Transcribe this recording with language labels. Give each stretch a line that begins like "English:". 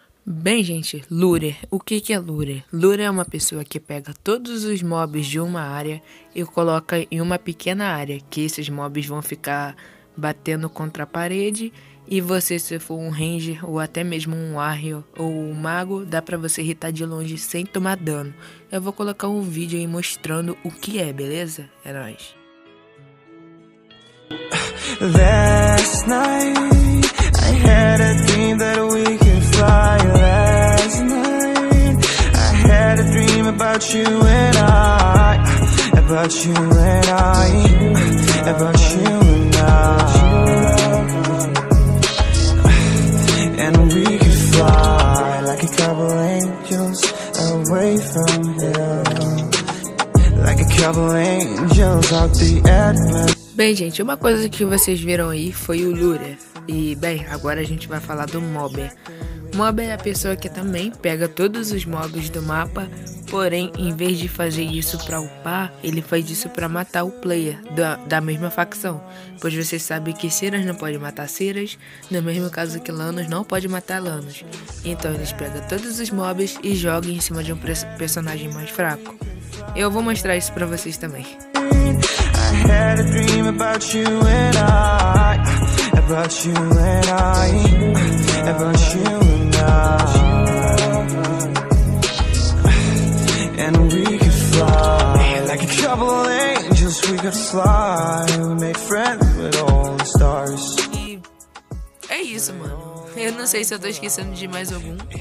Portuguese: bem, gente, Lure. O que que é Lure? Lure é uma pessoa que pega todos os mobs de uma área e coloca em uma pequena área, que esses mobs vão ficar batendo contra a parede, e você, se for um ranger ou até mesmo um warrior ou um mago, dá pra você hitar de longe sem tomar dano. Eu vou colocar um vídeo aí mostrando o que é, beleza? É nóis.
English: Last night, I had a dream that we could fly. Last night, I had a dream about you and I. About you and I. About you and I. And we could fly like a couple angels away from here. Like a couple angels out the atmosphere.
Portuguese: Bem, gente, uma coisa que vocês viram aí foi o Lure. E, bem, agora a gente vai falar do Mobber. Mobber é a pessoa que também pega todos os mobs do mapa, porém, em vez de fazer isso pra upar, ele faz isso pra matar o player da mesma facção. Pois você sabe que Ciras não pode matar Ciras, no mesmo caso que Lanos não pode matar Lanos. Então eles pegam todos os mobs e jogam em cima de um personagem mais fraco. Eu vou mostrar isso pra vocês também.
English: I had a dream about you and I. About you and I. About you and I. And we could fly like a couple angels. We could fly. We make friends with all the stars.
Portuguese: E é isso, mano. Eu não sei se eu tô esquecendo de mais algum.